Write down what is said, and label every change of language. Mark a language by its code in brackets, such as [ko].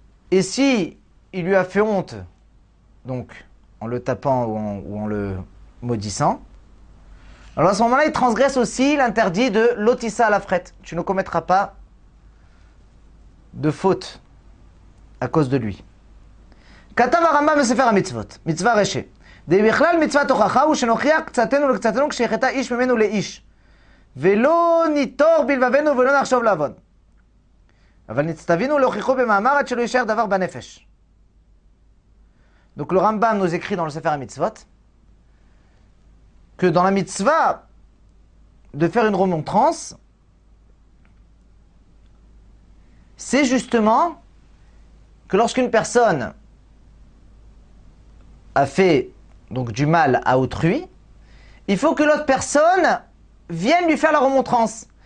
[fr] Et si il lui a fait honte, donc en le tapant ou en le maudissant, alors à ce moment-là, il transgresse aussi l'interdit de Lotissa à la frette. Tu ne commettras pas de faute à cause de lui. [he] כתב הרמב״ם בספר המצוות, מצווה ראשית. ובכלל מצוות הוכחה הוא שנוכיח קצתנו לקצתנו כשיחטא איש ממנו לאיש. ולא ניתור בלבבנו ולא נחשוב לעבוד. אבל נצטווינו להוכיחו במאמר עד שלא יישאר דבר בנפש. [fr] Donc le Rambam nous écrit dans le Sefer HaMitzvot que dans la mitzvah de faire une remontrance, c'est justement que lorsqu'une personne a fait donc du mal à autrui, il faut que l'autre personne vienne lui faire la remontrance.